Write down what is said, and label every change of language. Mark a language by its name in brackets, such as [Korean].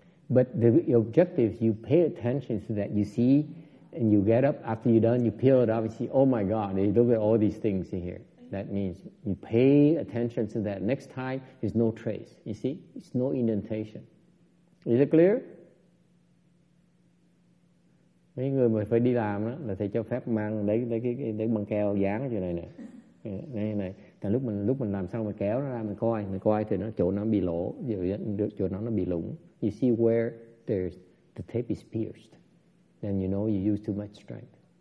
[English] But the objective is you pay attention so that you see, and you get up, after you're done, you peel it off, you see, oh my God, look at all these things in here. That means you pay attention so that next time, there's no trace, you see, it's no indentation. Is it clear? [Vietnamese] Mấy người mà phải đi làm đó, là thầy cho phép mang lấy băng keo dán ở chỗ này nè. Đây này, tại lúc mình làm xong mình kéo nó ra mình coi thì nó chỗ nó bị lỗ, chỗ nó bị lủng. [English] You see where there's the tape is pierced. Then you know you use too much strength.